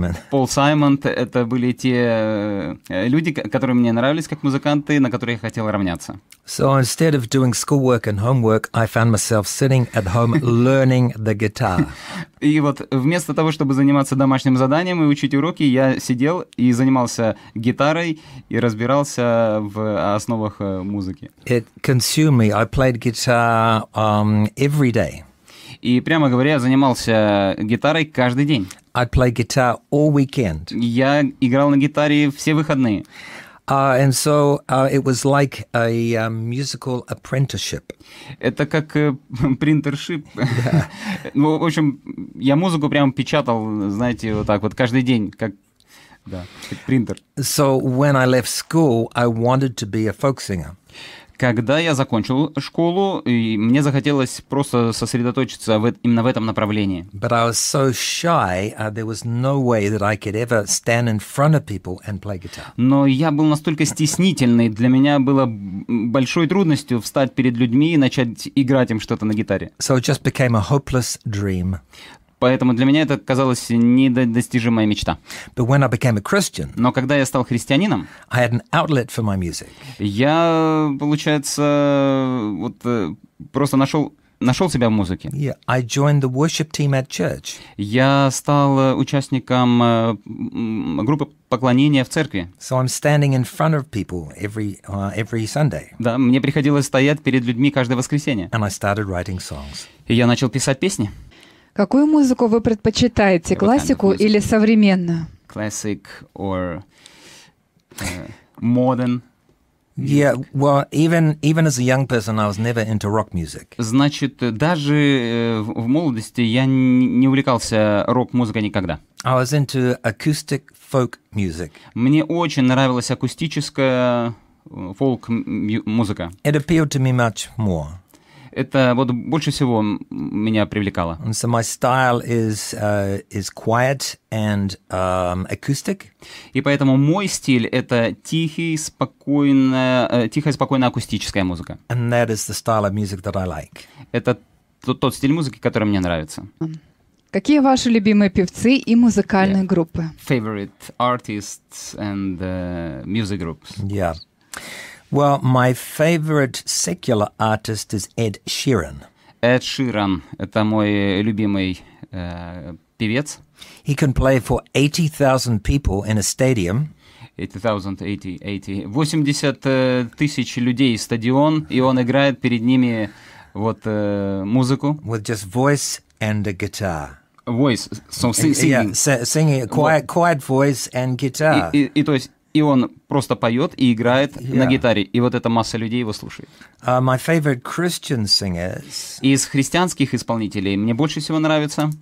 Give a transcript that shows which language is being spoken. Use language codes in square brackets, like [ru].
[ru] Paul Simon – это были те люди, которые мне нравились как музыканты, на которые я хотел равняться. [en] So instead of doing schoolwork and homework, I found myself sitting at home learning the guitar. [ru] И вот вместо того, чтобы заниматься домашним заданием и учить уроки, я сидел и занимался гитарой и разбирался в основах музыки. [en] It consumed me. I played guitar every day. [ru] И, прямо говоря, занимался гитарой каждый день. [en] I'd play guitar all weekend. [ru] Я играл на гитаре все выходные. [en] It was like a musical apprenticeship. [ru] Это как принтершип. Ну, в общем, я музыку прям печатал, знаете, вот так вот каждый день, как, да, как принтер. [en] So when I left school, I wanted to be a folk singer. [ru] Когда я закончил школу, и мне захотелось просто сосредоточиться именно в этом направлении. [en] But I was so shy, there was no way that I could ever stand in front of people and play guitar. [ru] Но я был настолько стеснительный, для меня было большой трудностью встать перед людьми и начать играть им что-то на гитаре. [en] So it just became a hopeless dream. [ru] Поэтому для меня это казалось недостижимая мечта. [en] But when I became a Christian, [ru] но когда я стал христианином, [en] I had an outlet for my music. [ru] Я, получается, вот просто нашел себя в музыке. [en] Yeah, I joined the worship team at church. [ru] Я стал участником группы поклонения в церкви. [en] So I'm standing in front of people every Sunday. [ru] Да, мне приходилось стоять перед людьми каждое воскресенье. [en] And I started writing songs. [ru] И я начал писать песни. Какую музыку вы предпочитаете, классику или современную? [en] Classic or modern? Music? Yeah, well, even as a young person, I was never into rock music. [ru] Значит, даже в молодости я не увлекался рок-музыкой никогда. [en] I was into acoustic folk music. [ru] Мне очень нравилась акустическая фолк-музыка. [en] It appealed to me much more. [ru] Это вот больше всего меня привлекало. [en] And so my style is quiet and acoustic. [ru] И поэтому мой стиль — это тихая, спокойная акустическая музыка. [en] And that is the style of music that I like. [ru] Это тот стиль музыки, который мне нравится. Какие ваши любимые певцы и музыкальные yeah. группы? [en] Favorite artists and music groups. Yeah. Well, my favorite secular artist is Ed Sheeran. [ru] Ed Sheeran — это мой любимый певец. [en] He can play for 80,000 people in a stadium. [ru] 80 тысяч людей стадион, и он играет перед ними вот музыку. [en] With just voice and a guitar. Voice, so singing. Yeah, singing, quiet voice and guitar. [ru] И то есть... И он просто поет и играет yeah. на гитаре, и вот эта масса людей его слушает. [en] My favorite Christian singers. [ru] Из христианских исполнителей мне больше всего нравится